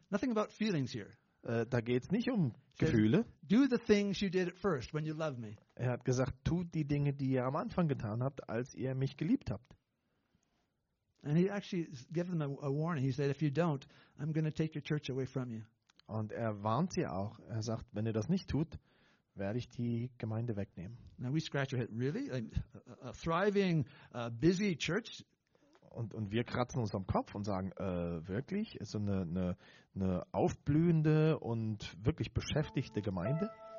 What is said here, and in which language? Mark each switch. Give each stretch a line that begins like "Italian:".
English: Nothing about feelings here.
German: Da geht's nicht um Gefühle.
English: Do the things you did at first when you love me.
German: Er hat gesagt, tut die Dinge, die ihr am Anfang getan habt, als ihr mich geliebt habt.
English: And he actually gave them a warning. He said, if you don't, I'm going to take your church away from you.
German: Und er warnt sie auch. Er sagt, wenn ihr das nicht tut, werde ich die Gemeinde wegnehmen.
English: Now we scratch our head, really? A thriving, busy church?
German: Und wir kratzen uns am Kopf und sagen, wirklich? Ist so eine aufblühende und wirklich beschäftigte Gemeinde?